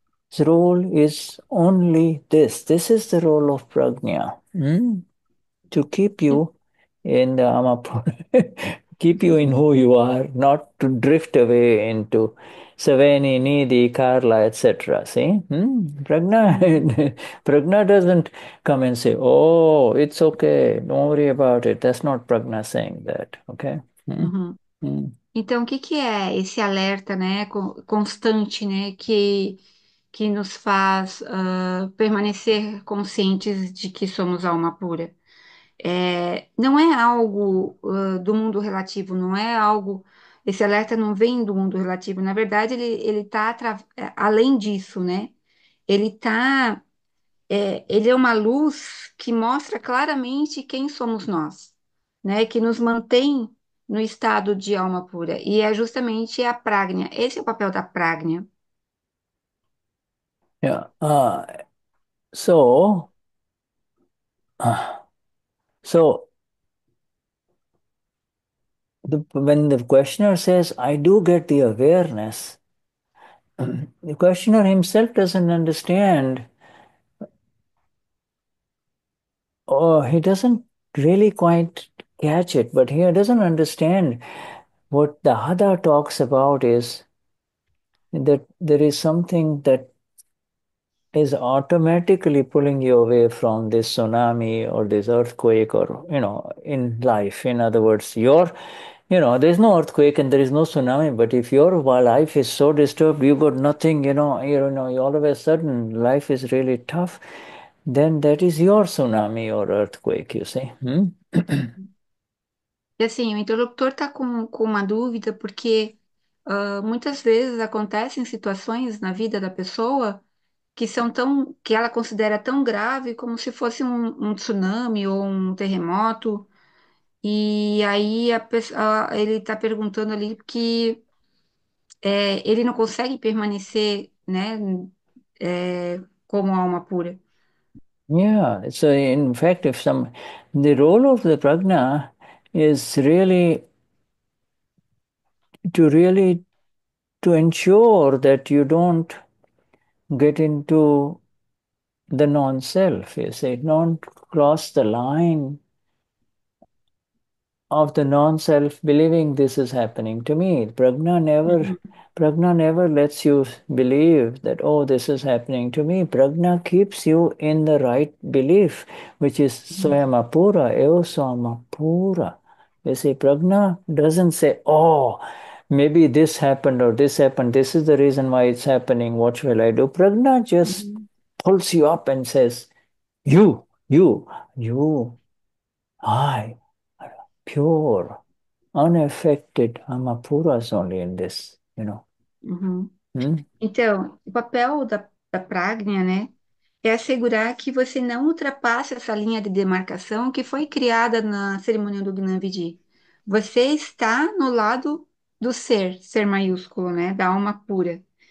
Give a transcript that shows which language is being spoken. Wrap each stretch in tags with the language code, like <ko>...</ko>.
<en>Its role is only this. This is the role of Pragna, to keep you in the Amapura, keep you in who you are, not to drift away into Saveni, Nidhi, Karla, etc. See? Pragna, Pragna doesn't come and say, oh, it's okay, don't worry about it. That's not Pragna saying that, okay?</en> <pt>Então, o que é esse alerta, né, constante, né, que nos faz permanecer conscientes de que somos alma pura. Não é algo do mundo relativo, não é algo. Esse alerta não vem do mundo relativo. Na verdade, ele está além disso, né? Ele é uma luz que mostra claramente quem somos nós. né, que nos mantém no estado de alma pura, e é justamente a prajna. Esse é o papel da prajna.</pt> <en>When the questioner says, I do get the awareness, the questioner himself doesn't understand, or he doesn't really quite catch it, but he doesn't understand what the other talks about is that there is something that is automatically pulling you away from this tsunami or this earthquake or, in life. In other words, there's no earthquake and there is no tsunami, but if your life is so disturbed, you've got nothing, all of a sudden life is really tough, then that is your tsunami or earthquake, you see.</en> <pt>E assim, o interlocutor está com uma dúvida porque muitas vezes acontecem situações na vida da pessoa que são tão que ela considera tão grave como se fosse um tsunami ou um terremoto. E aí ele está perguntando ali que ele não consegue permanecer, né, como alma pura.</pt> <en>Yeah, so in fact, if some the role of the prajna is really to ensure that you don't get into the non-self, you say, don't cross the line of the non-self believing this is happening to me. Prajna never lets you believe that, oh, this is happening to me. Prajna keeps you in the right belief, which is Swayamapura, Eosamapura. You see, Prajna doesn't say, oh, maybe this happened or this happened. This is the reason why it's happening. What will I do? Prajna just pulls you up and says, you, I, pure, unaffected, Amapuras only in this, you know.</en> <pt>Então, o papel da prajna, né, é assegurar que você não ultrapasse essa linha de demarcação que foi criada na cerimônia do Gnanvidi. Você está no lado do ser maiúsculo, né, da alma pura.</pt>